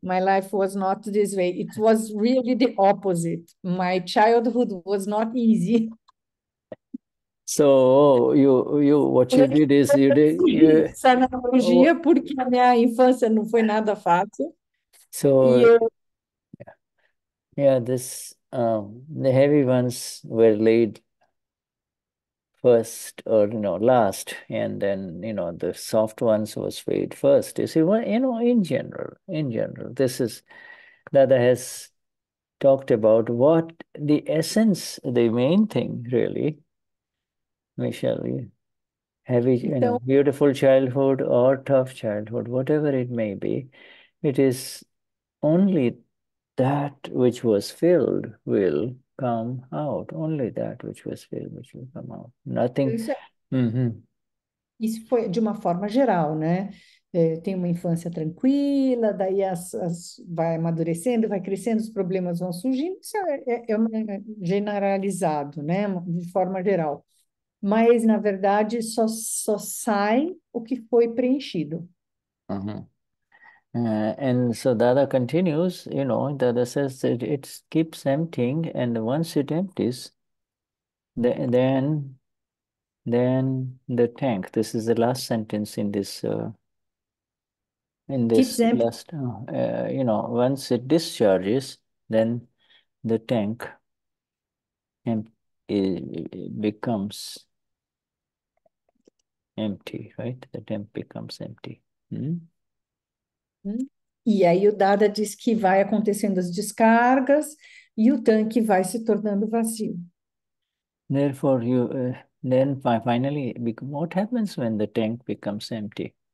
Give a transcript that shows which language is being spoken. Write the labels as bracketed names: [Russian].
[English] My life was not this way. It was really the opposite. My childhood was not easy. So what you did is you did you [Portuguese] Essa analogia, porque a minha infância não foi nada fácil. E [English] so [Portuguese] eu [English] yeah, this the heavy ones were laid first, or last, and then the soft ones was laid first. You see, well, in general, this is Dada has talked about what the essence, the main thing really. Michelle, heavy, [Portuguese] Então, [English] beautiful childhood or tough childhood, whatever it may be, it is only that which was filled will come out. Only that which was filled which will come out. Nothing. [Portuguese] isso foi de uma forma geral, né? É, tem uma infância tranquila, daí vai amadurecendo, vai crescendo, os problemas vão surgindo. Isso é generalizado, né? De forma geral. Mas, na verdade, só sai o que foi preenchido. [English] And so Dada continues, Dada says that it keeps emptying, and once it empties, then the tank. This is the last sentence in Keeps this emptying. last. Once it discharges, then the tank it becomes empty, right? The tank becomes empty. [Portuguese] E aí o Dada diz que vai acontecendo as descargas e o tanque vai se tornando vazio. [English] Therefore, then finally, what happens when the tank becomes empty?